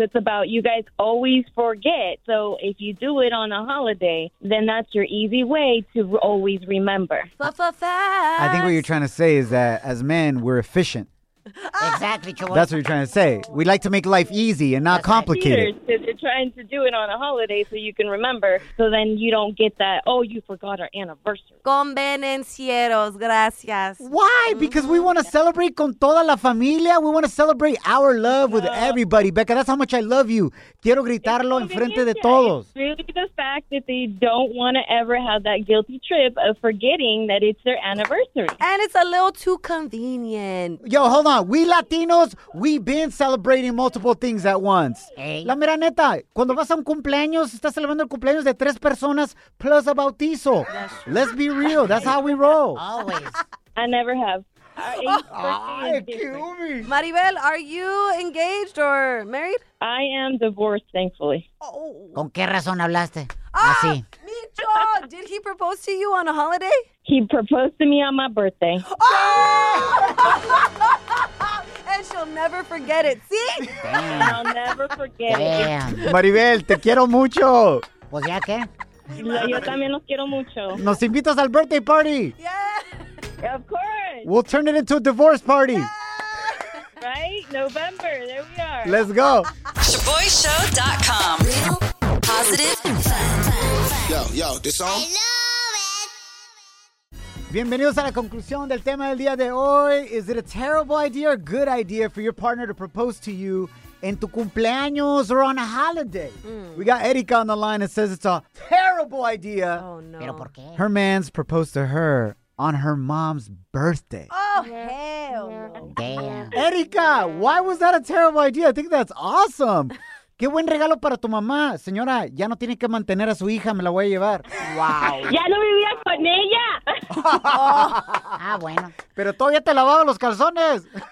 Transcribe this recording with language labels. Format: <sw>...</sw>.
<en>It's about you guys always forget. So if you do it on a holiday, then that's your easy way to always remember. Fa-fa-fa. I think what you're trying to say is that as men, we're efficient. Exactly. That's what you're trying to say. We like to make life easy and not complicated. They're trying to do it on a holiday so you can remember, so then you don't get that, oh, you forgot our anniversary.</en> <es>Convenencieros, gracias.</es> <en>Why? Because we want to celebrate</en> <es>con toda la familia.</es> <en>We want to celebrate our love with everybody. Becca, that's how much I love you.</en> <es>Quiero gritarlo en frente de todos.</es> <en>It's really the fact that they don't want to ever have that guilty trip of forgetting that it's their anniversary. And it's a little too convenient. Yo, hold on. We Latinos, we've been celebrating multiple things at once. Hey.</en> <es>La mera neta, cuando vas a un cumpleaños, estás celebrando el cumpleaños de tres personas</es> <en>plus a</en> <es>bautizo.</es> <en>Let's be real. That's how we roll. Always. I never have. Maribel, are you engaged or married? I am divorced, thankfully.</en> <es>¿Con qué razón hablaste? Así.</es> <en>Me too. Oh, did he propose to you on a holiday? He proposed to me on my birthday. Oh! And she'll never forget it. See? Damn. I'll never forget it.</en> <es>Maribel, te quiero mucho. Pues ya qué. Yo también los quiero mucho. Nos invitas al</es> <en>birthday party. Yeah. Of course. We'll turn it into a divorce party. Yeah. Right? November. There we are. Let's go. ShaboyShow.com. Positive and fun. Yo, this song.</en> <es>Bienvenidos a la conclusión del tema del día de hoy.</es> <en>Is it a terrible idea or good idea for your partner to propose to you</en> <es>en tu cumpleaños</es> <en>or on a holiday? Mm. We got Erika on the line and says it's a terrible idea. Oh, no.</en> <es>¿Pero por qué?</es> <en>Her man's proposed to her on her mom's birthday. Oh, hell. Damn. Erika, why was that a terrible idea? I think that's awesome.</en> <es>¡Qué buen regalo para tu mamá! Señora, ya no tiene que mantener a su hija, me la voy a llevar. ¡Wow! ¡Ya no vivía con ella! Oh. ¡Ah, bueno! ¡Pero todavía te lavaba los calzones!</es>